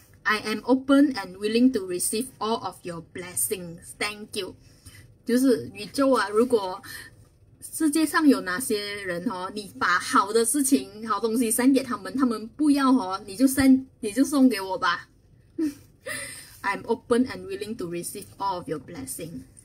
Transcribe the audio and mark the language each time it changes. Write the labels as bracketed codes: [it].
[en] I am open and willing to receive all of your blessings. Thank you. [zh] 就是宇宙啊，如果世界上有哪些人哦，你把好的事情、好东西 send 给他们，他们不要哦，你就送给我吧。 [en] I'm open and willing to receive all of your blessing.